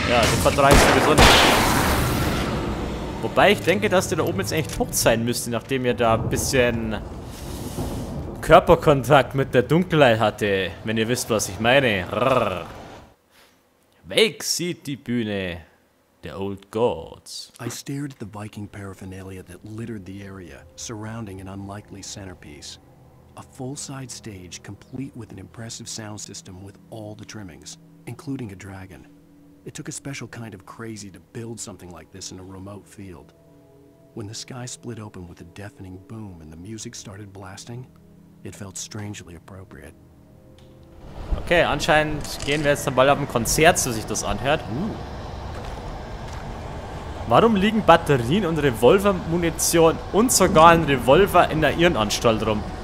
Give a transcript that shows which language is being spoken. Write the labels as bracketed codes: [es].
[de] Ja, den vertreibst du gesund. Wobei ich denke, dass der da oben jetzt eigentlich tot sein müsste, nachdem ihr da ein bisschen Körperkontakt mit der Dunkelheit hatte, wenn ihr wisst, was ich meine. Wake sieht die Bühne der Old Gods. [en] I stared at the Viking paraphernalia that littered the area, surrounding an unlikely centerpiece. A full-side stage complete with an impressive sound system with all the trimmings, including a dragon. It took a special kind of crazy to build something like this in a remote field. When the sky split open with a deafening boom and the music started blasting, it felt strangely appropriate. [de] Okay, anscheinend gehen wir jetzt dann bald auf ein Konzert, so sich das anhört. Warum liegen Batterien und Revolvermunition und sogar ein Revolver in der Irrenanstalt rum?